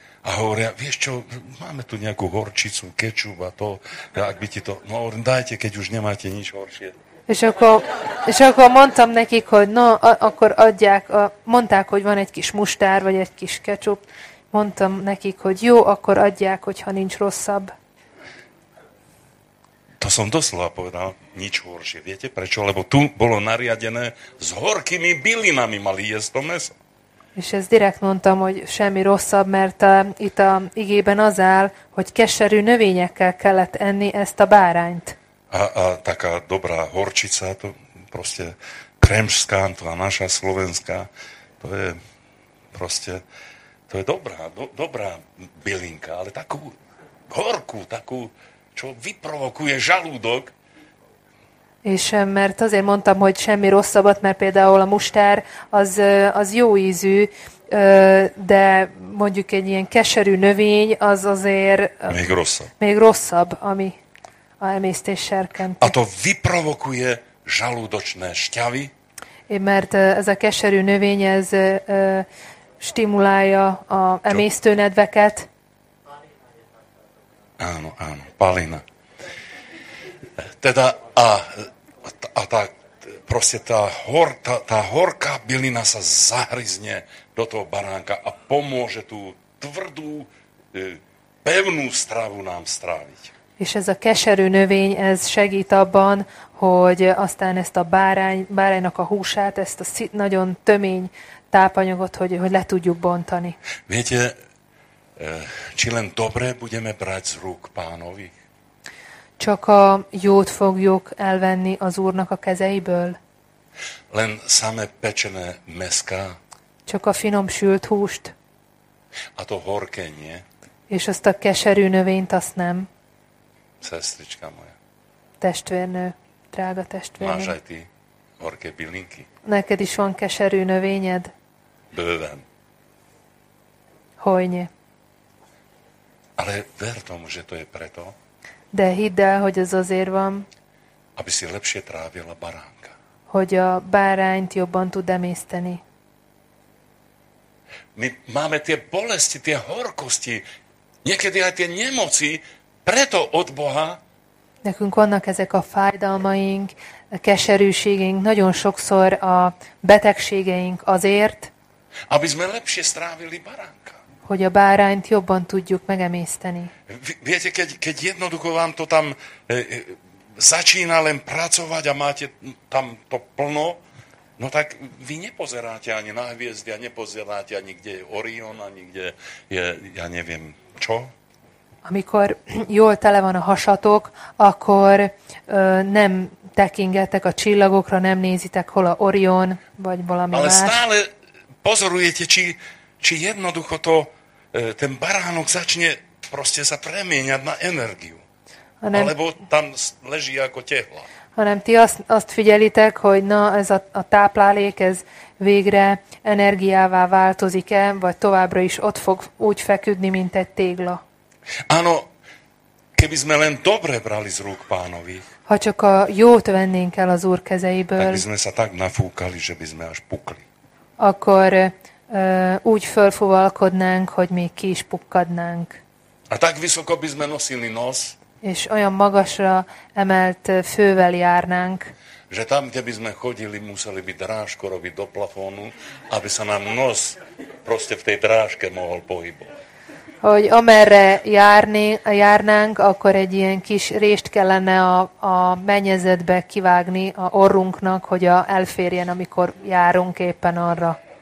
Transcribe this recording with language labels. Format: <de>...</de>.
<sk>A hovoria, vieš čo, máme tu nejakú horčicu, kečup a to, ak by ti to, no hovorím, dajte, keď už nemáte nič horšie.</sk> <hu>És akkor mondtam nekik, hogy no, akkor adják, mondták, hogy van egy kis mustár, vagy egy kis kecsup. Mondtam nekik, hogy jó, akkor adják, hogyha nincs rosszabb.</hu> <sk>To som doslova povedal, nič horšie, viete prečo? Lebo tu bolo nariadené, s horkými bylinami mali jesť to meso.</sk> <hu>És ezt direkt mondtam, hogy semmi rosszabb, mert itt a igében az áll, hogy keserű növényekkel kellett enni ezt a bárányt.</hu> <sk>A taká dobrá horčica, to proste kremžská, to a naša slovenská, to je proste, to je dobrá bylinka, ale takú horkú, takú, čo vyprovokuje žalúdok.</sk> <hu>És mert azért mondtam, hogy semmi rosszabbat, mert például a mustár az jó ízű, de mondjuk egy ilyen keserű növény az azért még rosszabb, ami a emésztés serkenti.</hu> <sk>A to vyprovokuje žalúdočné šťavy.</sk> <hu>Mert ez a keserű növény, ez stimulálja a emésztőnedveket.</hu> <sk>Áno, palina. Teda a tá, proste tá horká bylina sa zahryzne do toho baránka a pomôže tú tvrdú, pevnú stravu nám stráviť.</sk> <hu>És ez a keserű növény, ez segít abban, hogy aztán ezt a báránynak a húsát, ezt a nagyon tömény tápanyagot, hogy le tudjuk bontani.</hu> <sk>Viete, či len dobre budeme brať z rúk pánovi?</sk> <hu>Csak a jót fogjuk elvenni az Úrnak a kezeiből.</hu> <sk>Len same pečené meská.</sk> <hu>Csak a finom sült húst.</hu> <sk>A to horké, nie?</sk> <hu>És azt a keserű növényt, azt nem.</hu> <sk>Szestricska moja.</sk> <hu>Testvérnő, drága testvérnő.</hu> <sk>Máš aj ty horké bylinky?</sk> <hu>Neked is van keserű növényed? Bőven.</hu> <sk>Hojne. Ale ver tomu, že to je preto,</sk> <hu>de hidd el, hogy ez azért van,</hu> <sk>aby si lepšie trávila baránka.</sk> <hu>Hogy a bárányt jobban tud emészteni.</hu> <sk>My máme tie bolesti, tie horkosti, niekedy aj tie nemoci, preto od Boha</sk> <hu>Nekünk vannak ezek a fájdalmaink, a keserűségeink, nagyon sokszor a betegségeink azért,</hu> <sk>aby sme lepšie strávili baránka.</sk> <hu>Hogy a bárányt jobban tudjuk megemészteni.</hu> <sk>Viete, keď jednoducho vám to tam začína len pracovať a máte tam to plno, no tak vy nepozeráte ani na hviezdy a nepozeráte ani kde je Orion, ani kde je, ja neviem, čo.</sk> <hu>Amikor jól tele van a hasatok, akkor nem tekingetek a csillagokra, nem nézitek, hol a Orion, vagy valami</hu> <sk>ale</sk> <hu>más.</hu> <sk>Ale stále pozorujete, či jednoducho to ten baránok začne proste sa premieňať na energiu.</sk> <hu>Hanem,</hu> <sk>alebo tam leží ako tehla.</sk> <hu>Hanem ti azt figyelitek, hogy na ez a táplálék, ez végre energiává változik-e, vagy továbbra is ott fog úgy feküdni, mint egy tégla.</hu> <sk>Áno, keby sme len dobre brali z rúk pánových,</sk> <hu>ha csak a jót vennénk el az Úr kezeiből,</hu> <sk>tak by sme sa tak nafúkali, že by sme až pukli.</sk> <hu>Akkor úgy fölfúvalkodnánk, hogy még ki is pukkadnánk.</hu> <sk>A tak vysoko by sme nosili nos,</sk> <hu>és olyan magasra emelt fővel járnánk,</hu> <sk>že tam, kde by sme chodili, museli by drážko robiť do plafónu, aby sa nám nos proste v tej drážke mohol pohybovať.</sk> <hu>Hogy amerre járnánk, akkor egy ilyen kis rést kellene a mennyezetbe kivágni a orrunknak, hogy elférjen, amikor járunk éppen arra.</hu>